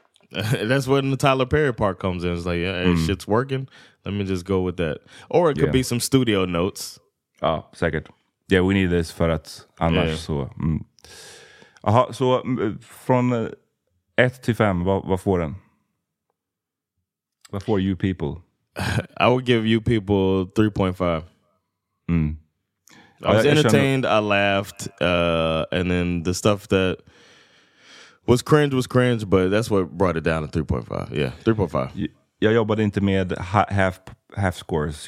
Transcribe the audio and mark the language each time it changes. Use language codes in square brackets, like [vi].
[en] That's when the Tyler Perry part comes in. It's like, yeah, shit's working. Let me just go with that. Or it could be some studio notes. [sv] Ah, säkert. [en] Yeah, we need this [sv] för att annars så. Aha, så från 1 to 5, vad får den? Vad får You People? [en] I would give You People 3.5. Mm. I was entertained, I laughed, and then the stuff that was cringe, but that's what brought it down to 3.5. Yeah, 3.5. [sv] Jag jobbade inte med [en] half scores.